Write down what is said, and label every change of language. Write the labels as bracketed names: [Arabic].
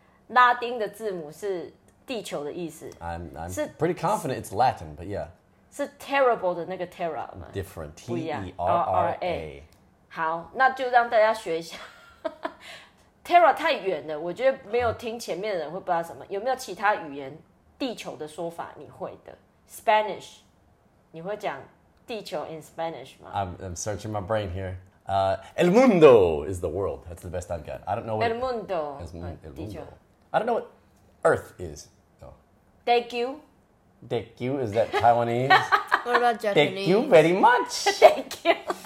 [Chinese] 拉丁的字母是地球的意思 [English] I'm pretty confident it's Latin but yeah [Chinese] 是 terrible 的那个 Terra [English] Different T-E-R-R-A [Chinese] 好那就让大家学一下Terra 太远了我觉得没有听前面的人会不知道什么有没有其他语言地球的说法你会的 Spanish 你会讲地球 [English] in Spanish, mom. I'm searching my brain here. El mundo is the world. That's the best I've got. I don't know what... [Spanish] El mundo. El mundo. [English] I don't know what Earth is, though. Daegu. Daegu, is that Taiwanese? What about Japanese? Daegu very much. Daegu.